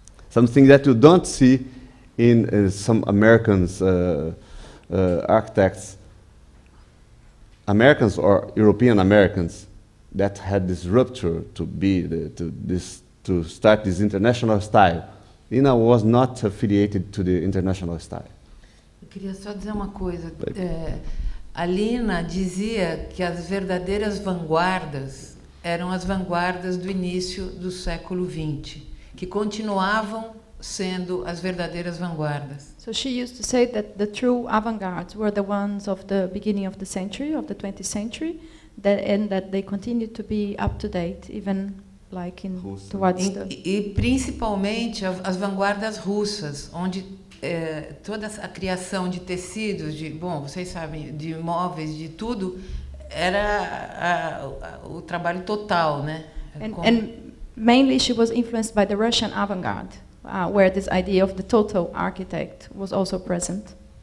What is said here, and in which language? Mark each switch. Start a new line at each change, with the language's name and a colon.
English: Something that you don't see in some Americans architects, Americans or European Americans, that had this rupture to start this international style. Lina was not affiliated to the international style.
Portuguese: Eu queria só dizer uma coisa. A Lina dizia que as verdadeiras vanguardas eram as vanguardas do início do século XX, que continuavam sendo as verdadeiras vanguardas.
English: So she used to say that the true avant-gardes were the ones of the beginning of the century, of the 20th century, that, and that they continue to be up to date, even like in Russo. Towards the...
Portuguese: E principalmente as vanguardas russas, onde toda a criação de tecidos, de, bom, vocês sabem, de móveis, de tudo, era o trabalho total, né?
English: And mainly she was influenced by the Russian avant-garde, where this idea of the total architect was also present.